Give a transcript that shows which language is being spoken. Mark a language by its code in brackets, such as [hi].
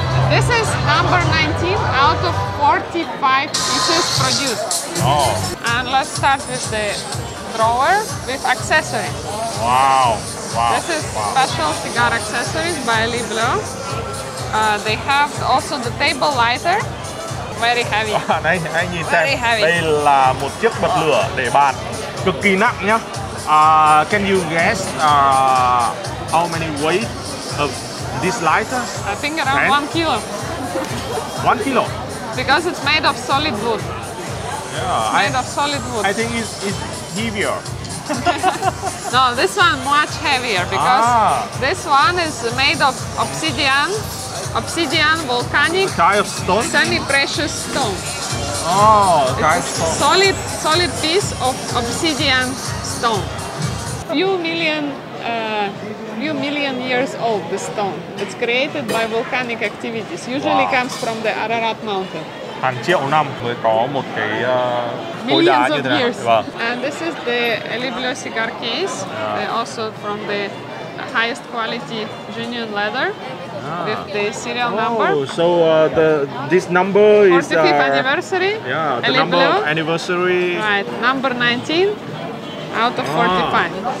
[en] This is number 19 out of 45 pieces produced. Oh. And let's start with the drawer with accessories. Wow. This is special cigar accessories by Elie Bleu. They have also the table lighter. Very heavy. [vi] Này, nhìn [en] very [vi] xem. [en] Heavy. [vi] Đây là một chiếc bật lửa để bàn. Cực kỳ nặng nhá. [en] Can you guess how many weight of this lighter? I think around 1 kilo. 1 kilo? Because it's made of solid wood. Yeah. It's made of solid wood. I think it's heavier. No, this one much heavier because this one is made of obsidian volcanic kind of stone? Semi-precious stone. Oh, okay. It's a solid piece of obsidian stone. Few million few million years old, this stone. It's created by volcanic activities. Usually wow. comes from the Ararat mountain. [vi] Hàng triệu năm mới có một cái khối đá như thế này. Vâng. [en] And this is the Elibliosigar case, yeah. also from the highest quality genuine leather. With the serial number. So this number is 45th anniversary. Yeah, the number of anniversary. Right, number 19 out of 45.